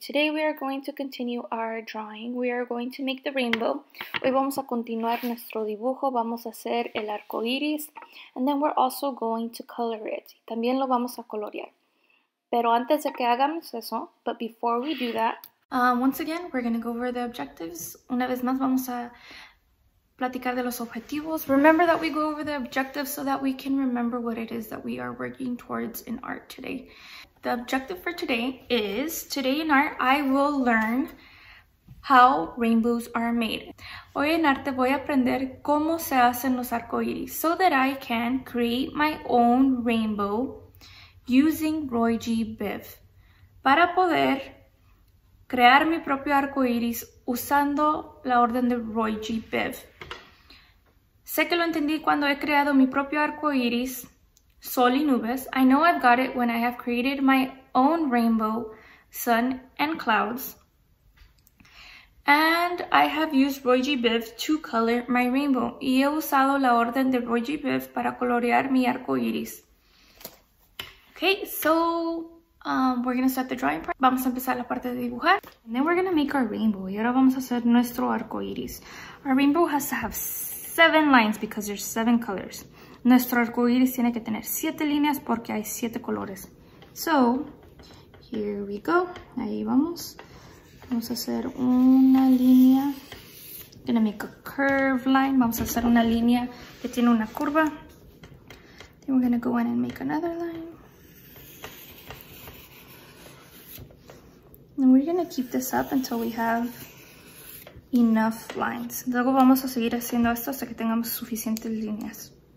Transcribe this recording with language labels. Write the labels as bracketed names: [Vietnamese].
[English] Today we are going to continue our drawing. We are going to make the rainbow. [Spanish] Hoy vamos a continuar nuestro dibujo. Vamos a hacer el arco iris. [English] And then we're also going to color it. [Spanish] También lo vamos a colorear. Pero antes de que hagamos eso, [English] but before we do that, once again, we're going to go over the objectives. [Spanish] Una vez más, vamos a platicar de los objetivos. [English] Remember that we go over the objectives so that we can remember what it is that we are working towards in art today. The objective for today is, today in art, I will learn how rainbows are made. [Spanish] Hoy en arte voy a aprender cómo se hacen los arcoíris [English] so that I can create my own rainbow using Roy G. Biv. [Spanish] Para poder crear mi propio arcoíris usando la orden de Roy G. Biv. Sé que lo entendí cuando he creado mi propio arco iris, sol y nubes. [English] I know I've got it when I have created my own rainbow, sun and clouds. And I have used Roy G. Biv to color my rainbow. [Spanish] Y he usado la orden de Roy G. Biv para colorear mi arco iris. [English] Okay, so we're going to start the drawing part. [Spanish] Vamos a empezar la parte de dibujar. [English] And then we're going to make our rainbow. [Spanish] Y ahora vamos a hacer nuestro arco iris. [English] Our rainbow has to have 7 lines because there's 7 colors. [Spanish] Nuestro arco iris tiene que tener 7 líneas porque hay 7 colores. [English] So, here we go. [Spanish] Ahí vamos. Vamos a hacer una línea. [English] Gonna make a curve line. [Spanish] Vamos a hacer una línea que tiene una curva. [English] Then we're gonna go in and make another line. And we're gonna keep this up until we have enough lines. [Spanish] Luego vamos a seguir haciendo esto hasta que tengamos suficientes líneas.